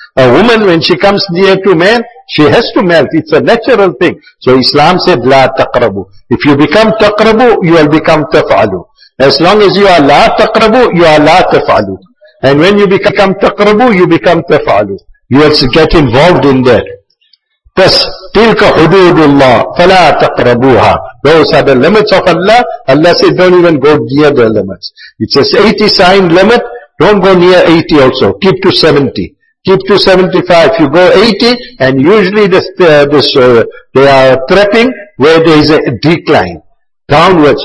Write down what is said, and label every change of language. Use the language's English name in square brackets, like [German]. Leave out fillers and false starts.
[English] A woman, when she comes near to man, she has to melt. It's a natural thing. So Islam said, [Arabic] لا تقربو. [English] If you become تقربو, you will become تفعلو. As long as you are [Arabic] لا تقربو, [English] you are لا تفعلو. And when you become تقربو, you become تفعلو. You will get involved in that. [Arabic] بس تلك حدود الله فلا تقربوها. [English] Those are the limits of Allah. Allah said, don't even go near the limits. It says 80 sign limit, don't go near 80 also. Keep to 70. Keep to 75. You go 80, and usually they are trapping where there is a decline. Downwards.